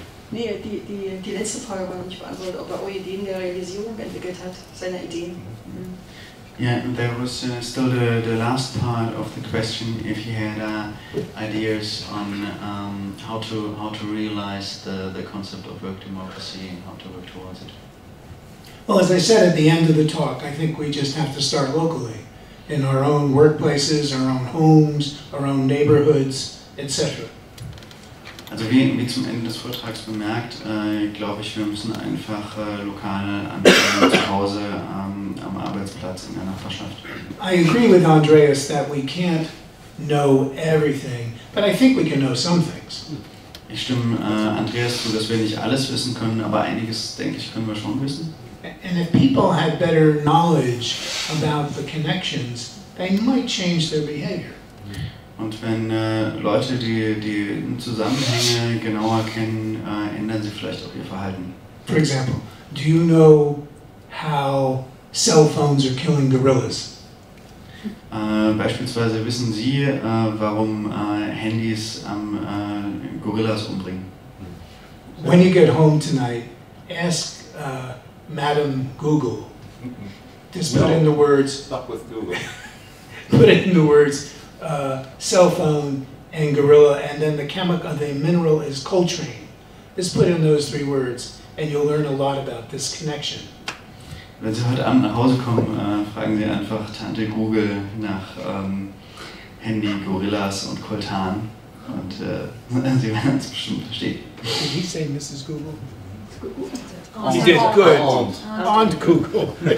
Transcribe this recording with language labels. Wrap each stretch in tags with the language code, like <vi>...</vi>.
<de>Die letzte Frage war nicht beantwortet, ob er auch Ideen der Realisierung entwickelt hat, seine Ideen.</de> <en>Yeah, there was still the last part of the question, if he had ideas on how to realize the concept of work democracy and how to work towards it. Well, as I said at the end of the talk, I think we just have to start locally, in our own workplaces, our own homes, our own neighborhoods, etc.</en> <de>Also wie zum Ende des Vortrags bemerkt, glaube ich, wir müssen einfach lokal anfangen, zu Hause, am Arbeitsplatz, in der Nachbarschaft.</de> <en>I agree with Andreas that we can't know everything, but I think we can know some things.</en> <de>Ich stimme Andreas zu, dass wir nicht alles wissen können, aber einiges, denke ich, können wir schon wissen.</de> <en>And if people had better knowledge about the connections, they might change their behavior.</en> <de>Und wenn Leute die Zusammenhänge genauer kennen, ändern sie vielleicht auch ihr Verhalten.</de> <en>For example, do you know how cell phones are killing gorillas?</en> <de>Beispielsweise wissen Sie, warum Handys Gorillas umbringen?</de> <en>When you get home tonight, ask Madam Google. Just put in the words. Fuck with Google. Put in the words cell phone and gorilla, and then the chemical, the mineral is coltrane. Just put in those three words, and you'll learn a lot about this connection.</en> <de>Wenn Sie heute Abend nach Hause kommen, fragen Sie einfach Tante Google nach Handy, Gorillas und Coltan. Und Sie werden es bestimmt verstehen.</de> <en>Did he say Mrs. Google? Google. He did, good. Aunt. Aunt Google.</en>